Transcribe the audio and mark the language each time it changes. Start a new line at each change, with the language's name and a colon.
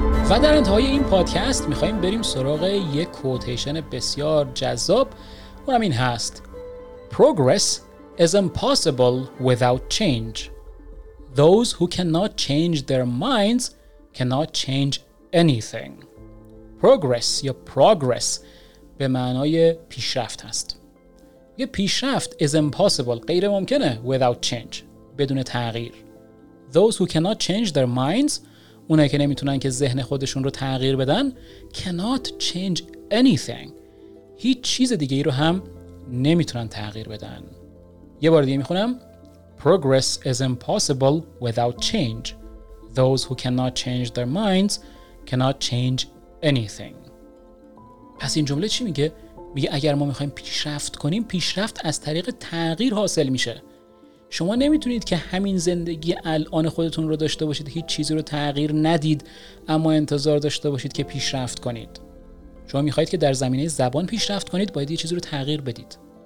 Persian: و در انتهای این پادکست میخواییم بریم سراغ یک کوتیشن بسیار جذاب، اونم این هست:
English: Progress is impossible without change. Those who cannot change their minds cannot change anything.
Persian: Progress یا progress به معنای پیشرفت هست. یه پیشرفت
English: is impossible،
Persian: غیر ممکنه،
English: without change،
Persian: بدون تغییر.
English: Those who cannot change their minds،
Persian: اونایی که نمیتونن که ذهن خودشون رو تغییر بدن،
English: cannot change anything،
Persian: هیچ چیز دیگه ای رو هم نمیتونن تغییر بدن. یه بار دیگه میخونم:
English: Progress is impossible without change. Those who cannot change their minds cannot change anything.
Persian: پس این جمله چی میگه؟ میگه اگر ما میخوایم پیشرفت کنیم، پیشرفت از طریق تغییر حاصل میشه. شما نمیتونید که همین زندگی الان خودتون رو داشته باشید، هیچ چیزی رو تغییر ندید، اما انتظار داشته باشید که پیشرفت کنید. شما میخواهید که در زمینه زبان پیشرفت کنید، باید یه چیزی رو تغییر بدید.